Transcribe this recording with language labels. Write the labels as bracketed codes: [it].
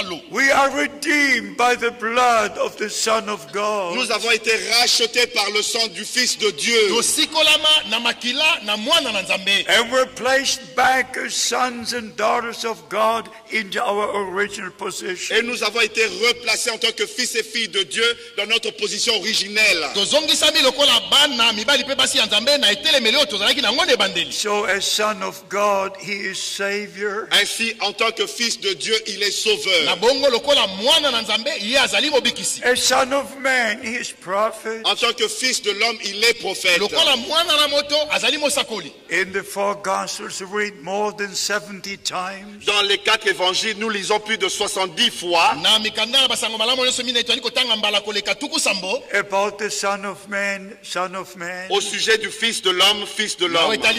[en] We are redeemed by the blood of the Son of God. [fr] Nous avons été rachetés par le sang du Fils de Dieu. [en] And we're placed back as sons and daughters of God into our original position. [fr] Et nous avons été replacés en tant que fils et filles de Dieu dans notre position originelle. [en] So as son of God, he is Savior. [fr] Ainsi, en tant que fils de Dieu, il est Sauveur. [en] A son of man, he is prophet. [fr] En tant que fils de l'homme, il est prophète. [en] In the four gospels, we read more than 70 times. [fr] Dans les quatre évangiles, nous lisons plus de 70 fois. [en] About the son of man, son of man. [fr] Au sujet du fils de l'homme, fils de l'homme.